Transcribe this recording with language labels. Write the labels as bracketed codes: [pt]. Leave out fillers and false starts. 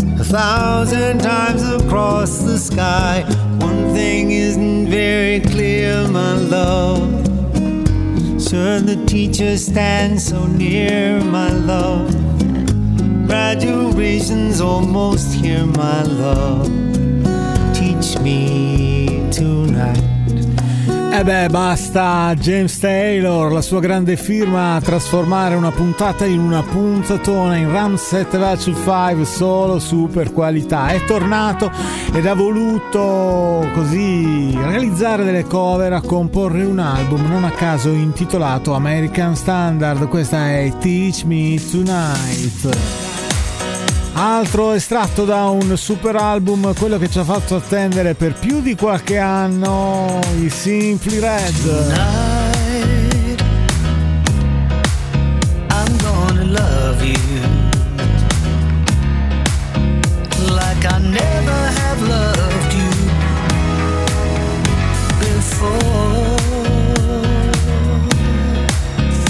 [en] thousand times across the sky. One thing isn't very clear, my love. Sir, the teacher stands so near, my love. Graduation's almost here, my love. Teach me tonight. [it] E beh, basta James Taylor, la sua grande firma a trasformare una puntata in una puntatona in Ram 7 Vacu 5, solo super qualità. È tornato ed ha voluto così realizzare delle cover, a comporre un album non a caso intitolato American Standard. Questa è Teach Me Tonight. Altro estratto da un super album, quello che ci ha fatto attendere per più di qualche anno, i Simply Red. [en] Tonight, I'm gonna love you like I never have loved you before.